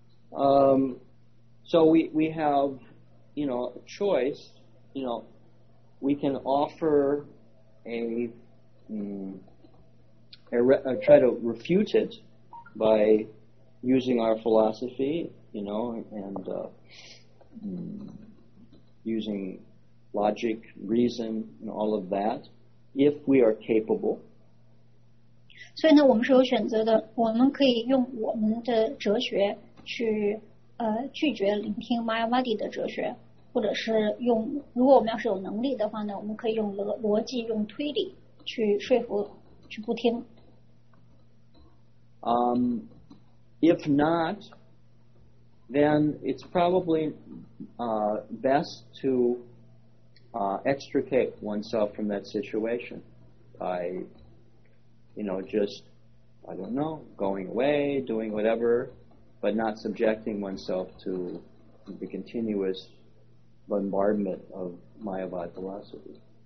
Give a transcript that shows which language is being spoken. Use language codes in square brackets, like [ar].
[en] So we have, you know, a choice, you know, we can offer try to refute it by using our philosophy, you know, and using logic, reason, and all of that, if we are capable. [zh] 所以呢，我们是有选择的。我们可以用我们的哲学去拒绝聆听 Mayavadi 的哲学，或者是用，如果我们要是有能力的话呢，我们可以用逻辑、用推理去说服，去不听。 [en] If not, then it's probably best to extricate oneself from that situation by, you know, just, I don't know, going away, doing whatever, but not subjecting oneself to the continuous bombardment of Mayavada philosophy.